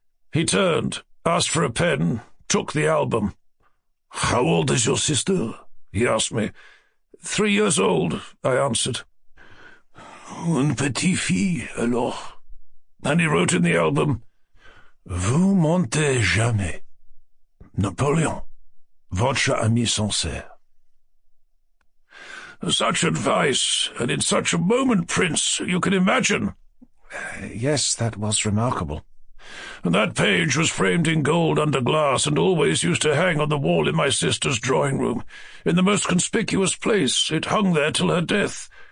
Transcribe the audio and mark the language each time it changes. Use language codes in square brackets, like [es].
[en] He turned, asked for a pen, took the album. "How old is your sister?" he asked me. 3 years old," I answered. [fr] "Une petite fille, alors." And he wrote in the album, "Vous montez jamais. Napoleon, votre ami sincère." [en] Such advice, and in such a moment, Prince, you can imagine. Yes, that was remarkable. And that page was framed in gold under glass and always used to hang on the wall in my sister's drawing-room. In the most conspicuous place, it hung there till her death.